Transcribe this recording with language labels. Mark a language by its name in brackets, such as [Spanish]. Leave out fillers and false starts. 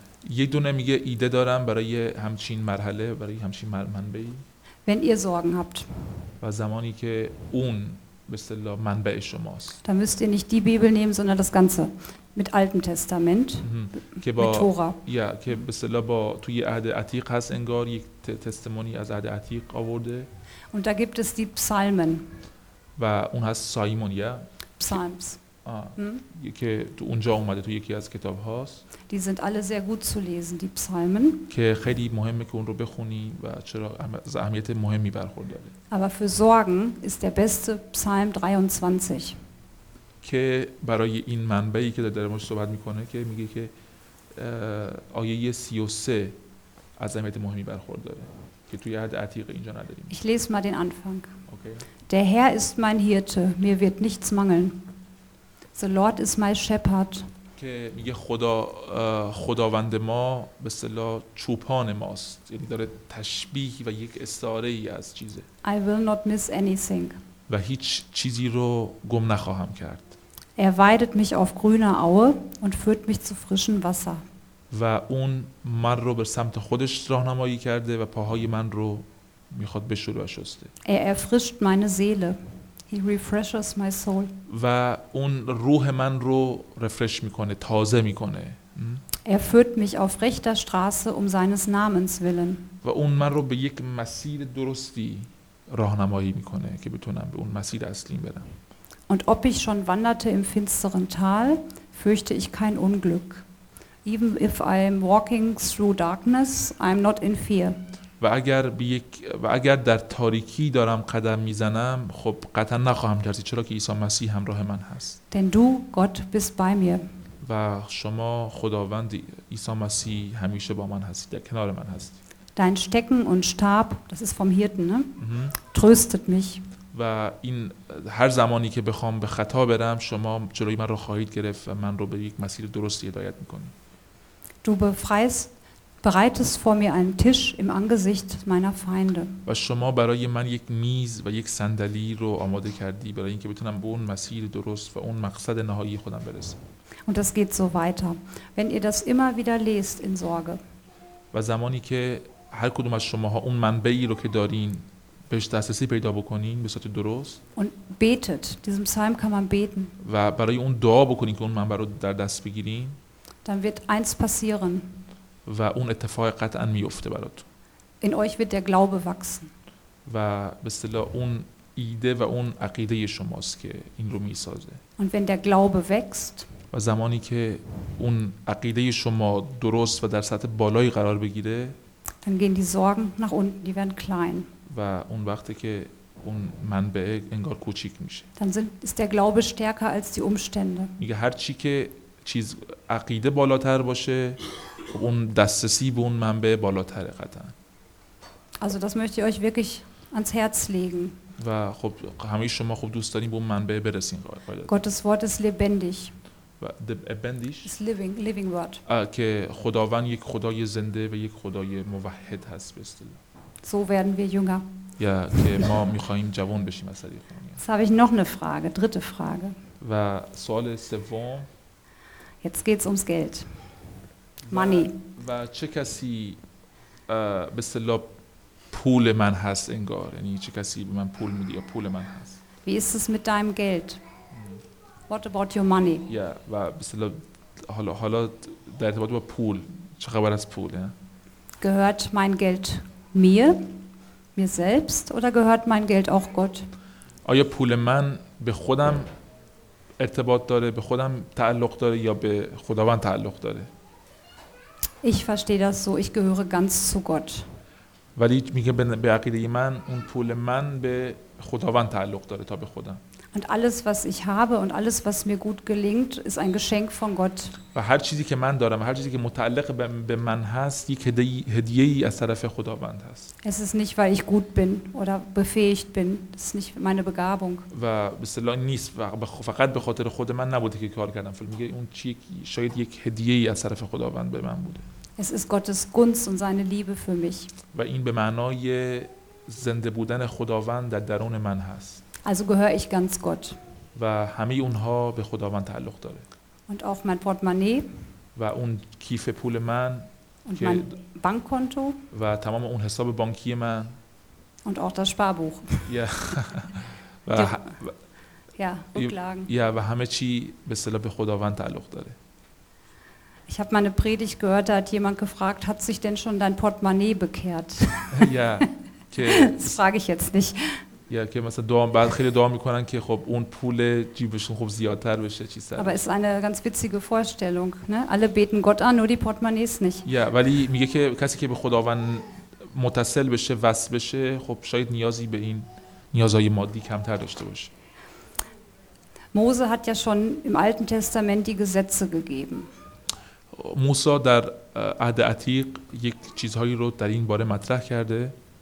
[Persian] یه دونه میگه ایده دارم برای همچین مرحله برای همچین منبعی. [German] Wenn ihr Sorgen habt. [Persian] و زمانی که اون به اصطلاح منبع شماست. [German] Dann müsst ihr nicht die Bibel nehmen, sondern das ganze mit Altem Testament, mit Tora. [Persian] Ja, که به اصطلاح با توی عهد عتیق هست انگار یک تستمونی از عهد عتیق آورده. [German] Und da gibt es die Psalmen. [Persian] و اون هست سایمون یا [English] Psalms. [Persian] که تو اونجا اومده تو یکی از کتاب هاست. [German] Die sind alle sehr gut zu lesen, die Psalmen. [Persian] که خیلی مهمه که اون رو بخونی و چرا از اهمیت مهمی برخورداره. [German] Aber für Sorgen ist der beste Psalm 23. [Persian] که برای این منبعی که در موردش صحبت میکنه که میگه که آیه 33 از اهمیت مهمی برخورداره که توی عهد عتیق اینجا نداریم. [German] Ich lese mal den Anfang. Der Herr ist mein Hirte, mir wird nichts mangeln. [English] The Lord is my shepherd. [Persian] که میگه خدا خداوند ما به اصطلاح چوپان ماست، یعنی داره تشبیه و یک استعاره ای از چیزه. [English] I will not miss anything. [Persian] و هیچ چیزی رو گم نخواهم کرد. [German] Er weidet mich auf grüner Aue und führt mich zu frischen Wasser. [Persian] و اون من رو به سمت خودش راهنمایی کرده و پاهای من رو میخواد بشوره و شسته. [German] Er erfrischt meine Seele. [English] He refreshes my soul. [Persian] و اون روح من رو رفرش میکنه، تازه میکنه. [German] Er führt mich auf rechter Straße um seines Namens willen. [Persian] و اون من رو به یک مسیر درستی راهنمایی میکنه که بتونم به اون مسیر اصلیم برم. [German] Und ob ich schon wanderte im finsteren Tal, fürchte ich kein Unglück. [English] Even if I'm walking through darkness, I'm not in fear. [Persian] و اگر به یک و اگر در تاریکی دارم قدم میزنم، خب قطعا نخواهم ترسید، چرا که عیسی مسیح همراه من هست. [German] Denn du, Gott, bist bei mir. [Persian] و شما خداوند عیسی مسیح همیشه با من هستید، در کنار من هستید. [German] Dein Stecken und Stab, das ist vom Hirten, ne? Tröstet mich. [Persian] و این هر زمانی که بخوام به خطا برم، شما جلوی من رو خواهید گرفت و من رو به یک مسیر درستی هدایت میکنید. [German] Du bereitest vor mir einen Tisch im Angesicht meiner Feinde. [Persian] و شما برای من یک میز و یک صندلی رو آماده کردی برای اینکه بتونم به اون مسیر درست و اون مقصد نهایی خودم برسم. [German] Und das geht so weiter. Wenn ihr das immer wieder lest in Sorge. [Persian] و زمانی که هر کدوم از شماها اون منبعی رو که دارین بهش دسترسی پیدا بکنین به صورت درست [German] und betet. Diesem Psalm kann man beten. [Persian] و برای اون دعا بکنین که اون منبع رو در دست بگیرین، [German] dann wird eins passieren. [Persian] و اون اتفاق قطعا میفته براتون. [German] In euch wird der Glaube wachsen. [Persian] و به اصطلاح اون ایده و اون عقیده شماست که این رو میسازه. [German] Und wenn der Glaube wächst, [Persian] و زمانی که اون عقیده شما درست و در سطح بالایی قرار بگیره، [German] dann gehen die Sorgen nach unten, die werden klein. [Persian] و اون وقتی که اون منبع انگار کوچیک میشه. [German] Dann ist der Glaube stärker als die Umstände. [Persian] میگه هر چی که چیز عقیده بالاتر باشه، خب اون دسترسی به اون منبع بالاتره قطعا. [German] Also das möchte ich euch wirklich ans Herz legen. [Persian] و خب همه شما خوب دوست دارین به اون منبع برسین. [German] Gottes Wort ist lebendig. Lebendig. [English] Is living, living word. [Persian] که خداوند یک خدای زنده و یک خدای موحد هست به اصطلاح. [German] So werden wir jünger. [Persian] Ja, که ما میخواهیم جوان بشیم از طریق اون. [German] Jetzt habe ich noch eine Frage, dritte Frage. [Persian] و سوال سوم. [German] Jetzt geht's ums Geld. [English] Money. [Persian] و چه کسی به اصطلاح پول من هست انگار، یعنی چه کسی به من پول میده یا پول من هست. [German] Wie ist es mit deinem Geld? [English] What about your money? [Persian] Ja, و به اصطلاح حالا در ارتباط با پول، چه خبر از پول؟ [German] Gehört mein Geld mir selbst oder gehört mein Geld auch Gott? [Persian] آیا پول من به خودم ارتباط داره، به خودم تعلق داره یا به خداوند تعلق داره؟ [German] Ich verstehe das so, ich gehöre ganz zu Gott. [Persian] ولی میگه به عقیده من اون پول من به خداوند تعلق داره تا به خودم. [German] Und alles was ich habe und alles was mir gut gelingt ist ein Geschenk von Gott. [Persian] و هر چیزی که من دارم، هر چیزی که متعلق به من هست، یک هدیه‌ای از طرف خداوند هست. [German] Es ist nicht weil ich gut bin oder befähigt bin, das ist nicht meine Begabung. [Persian] و بسلا نیست فقط به خاطر خود من نبوده که کار کردم، فل میگه اون چی شاید یک هدیه‌ای از طرف خداوند به من بوده. [German] Es ist Gottes Gunst und seine Liebe für mich. [Persian] و این به معنای زنده بودن خداوند در درون من هست. [German] Also gehöre ich ganz Gott. [Persian] و همه اونها به خداوند تعلق داره. [German] Und auch mein Portemonnaie. [Persian] و اون کیف پول من. [German] Und mein Bankkonto. [Persian] و تمام اون حساب بانکی من. [German] Und auch das Sparbuch. Ja. Ja, Rücklagen. [Persian] Ja, و همه چی به اصطلاح به خداوند تعلق داره. [German] Ich habe meine Predigt gehört, da hat jemand gefragt, hat sich denn schon dein Portemonnaie bekehrt? Ja. Das frage ich jetzt nicht. [Persian] یا که مثلا دعا بعد خیلی دعا میکنن که خب اون پول جیبشون خب زیادتر بشه چی سر. [German] Aber ist eine ganz witzige Vorstellung, ne? Alle beten Gott an, nur die Portemonnaies nicht. [Persian] Ja, ولی میگه که کسی که به خداوند متصل بشه، وصل بشه، خب شاید نیازی به این نیازهای مادی کمتر داشته باشه. [German] Mose hat ja schon im Alten Testament die Gesetze gegeben. [Persian] موسی در عهد عتیق یک چیزهایی رو در این باره مطرح کرده.